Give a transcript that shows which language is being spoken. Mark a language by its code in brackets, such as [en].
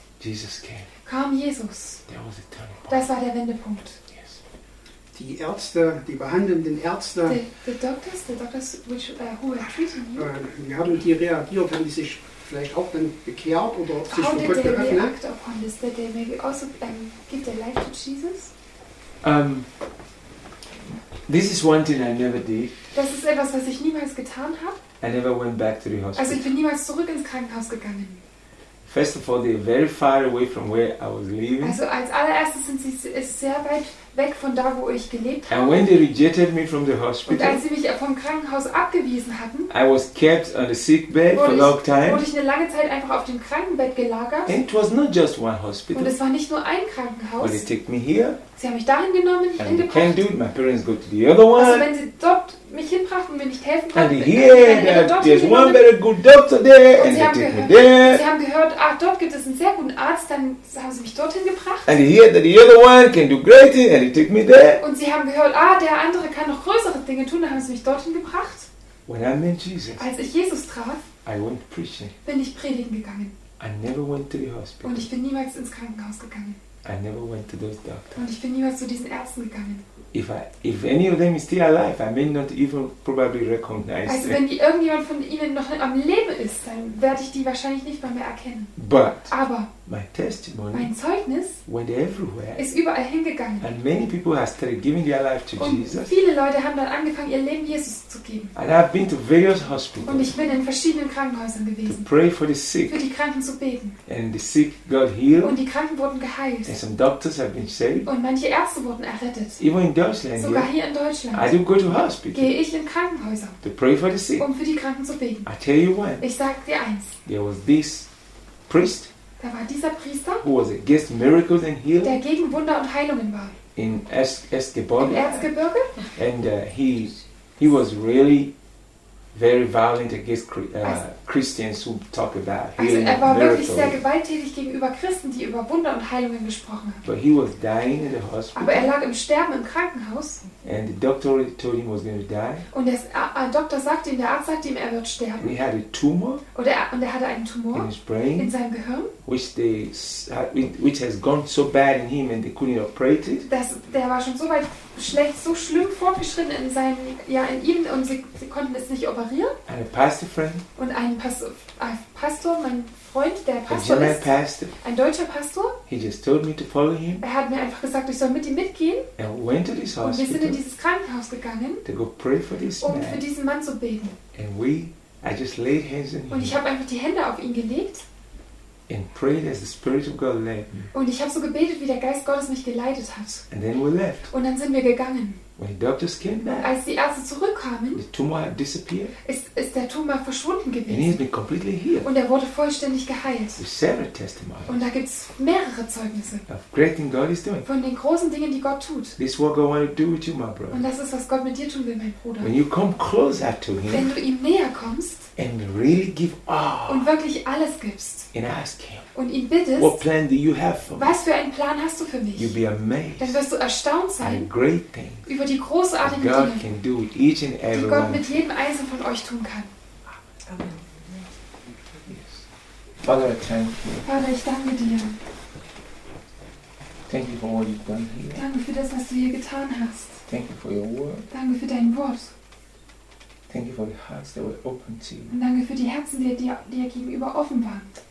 [en] Jesus came. [de] Kam Jesus. [en] That was the turning point. [de] Das war der Wendepunkt. [en] Yes. [de] Die Ärzte, die behandelnden Ärzte, [en] the doctors which, who were treating you, [de] wie haben die reagiert, haben die sich vielleicht auch dann bekehrt oder sich [en] how [de] verrückt [en] did they react upon this? Did they maybe also give their life to Jesus? This is one thing I never did. [de] Das ist etwas, was ich niemals getan habe. [en] I never went back to the hospital. [de] Also ich bin niemals zurück ins Krankenhaus gegangen. [en] First of all, they're very far away from where I was living. [de] Also als allererstes sind sie sehr weit weg von da, wo ich gelebt habe. [en] And when they rejected me from the hospital, [de] und als sie mich vom Krankenhaus abgewiesen hatten, [en] I was kept on the sick bed for a long time. [de] Wurde ich eine lange Zeit einfach auf dem Krankenbett gelagert. [en] And it was not just one hospital. [de] Und es war nicht nur ein Krankenhaus. [en] But they take me here. [de] Sie haben mich dahin genommen, hingebracht. [en] And you can't do it. My parents go to the other one. [de] Also wenn sie dort mich hinbrachten und mir nicht helfen konnten. [en] And there's one very good doctor there. [de] Und sie haben gehört, ach, dort gibt es einen sehr guten Arzt, dann haben sie mich dorthin gebracht. [en] And here that the other one can do great things, and he took me there. [de] Und sie haben gehört, ah, der andere kann noch größere Dinge tun, dann haben sie mich dorthin gebracht. [en] When I met Jesus, [de] als ich Jesus traf, [en] I went preaching. [de] Bin ich predigen gegangen. [en] I never went to the hospital. [de] Und ich bin niemals ins Krankenhaus gegangen. [en] I never went to those doctors. [de] Und ich bin niemals zu diesen Ärzten gegangen. [en] If any of them is still alive, I may not even probably recognize them. [de] Also wenn irgendjemand von ihnen noch am Leben ist, dann werde ich die wahrscheinlich nicht mal mehr erkennen. [en] But [de] aber [en] my testimony, [de] mein Zeugnis, [en] went everywhere, [de] ist überall hingegangen. [en] And many people have started giving their life to [de] und [en] Jesus. [de] Und viele Leute haben dann angefangen, ihr Leben Jesus zu geben. [en] And I've been to various hospitals. [de] Und ich bin in verschiedenen Krankenhäusern gewesen. [en] To pray for the sick. [de] Für die Kranken zu beten. [en] And the sick got healed. [de] Und die Kranken wurden geheilt. [en] And some doctors have been saved. [de] Und manche Ärzte wurden errettet. [en] Even in Deutschland, [de] sogar hier in Deutschland. [en] I do go to hospital. [de] Gehe ich in Krankenhäuser. [en] To pray for the sick. [de] Um für die Kranken zu beten. [en] I tell you what. [de] Ich sag dir eins. [en] There was this priest. [de] Da war dieser Priester, [en] who was against miracles and healing, [de] der gegen Wunder und Heilungen war. [en] In Erzgebirge. [de] Im Erzgebirge. [en] And he was really very violent against Christians who talk about healing. [de] Also er war wirklich sehr gewalttätig gegenüber Christen, die über Wunder und Heilungen gesprochen haben. [en] But he was dying in the hospital. [de] Aber er lag im Sterben im Krankenhaus. [en] And the doctor told him he was going to die. [de] Und der Doktor sagte ihm, der Arzt sagte ihm, er wird sterben. [en] He had a tumor. [de] Und er hatte einen Tumor [en] in his brain, [de] in seinem Gehirn, [en] which has gone so bad in him and they couldn't operate it. [de] Der war schon so weit schlecht, so schlimm fortgeschritten in seinem, ja, in ihm, und sie konnten es nicht operieren. [en] And a pastor friend. [de] Und ein Pastor, mein Freund, der Pastor ist, [en] pastor, [de] ein deutscher Pastor, [en] he just told me to follow him. [de] Er hat mir einfach gesagt, ich soll mit ihm mitgehen. [en] And went to this hospital, [de] und wir sind in dieses Krankenhaus gegangen, [en] to go pray for this [de] um [en] man, [de] für diesen Mann zu beten. [en] And we, I just laid hands on him. [de] Und ich habe einfach die Hände auf ihn gelegt. [en] And prayed as the Spirit of God led me. [de] Und ich habe so gebetet, wie der Geist Gottes mich geleitet hat. [en] And then we left. [de] Und dann sind wir gegangen. [en] When the doctors came back, [de] als die Ärzte zurückkamen, [en] the tumor had disappeared. [de] Ist der Tumor verschwunden gewesen. [en] And he has been completely healed. [de] Und er wurde vollständig geheilt. [en] There's several testimonies. [de] Und da gibt es mehrere Zeugnisse [en] of great things God is doing. [de] Von den großen Dingen, die Gott tut. [en] This is what God wants to do with you, my brother. [de] Und das ist, was Gott mit dir tun will, mein Bruder. [en] When you come closer to him, [de] wenn du ihm näher kommst, [en] and really give all, [de] und wirklich alles gibst, [en] and ask him, [de] und ihn bittest, [en] what plan do you have for me? [de] Was für einen Plan hast du für mich? [en] You'll be amazed, [de] dann wirst du erstaunt sein, [en] and great things [de] über die großartigen [en] God [de] Dinge, [en] can do with each and every, [de] die Gott mit jedem Einzelnen von euch tun kann. [en] Amen. Father, I thank you. [de] Vater, ich danke dir. [en] Thank you for what you've done here. [de] Danke für das, was du hier getan hast. [en] Thank you for your word. [de] Danke für dein Wort. [en] Thank you for the hearts that were open to you. [de] Und danke für die Herzen, die dir gegenüber offen waren.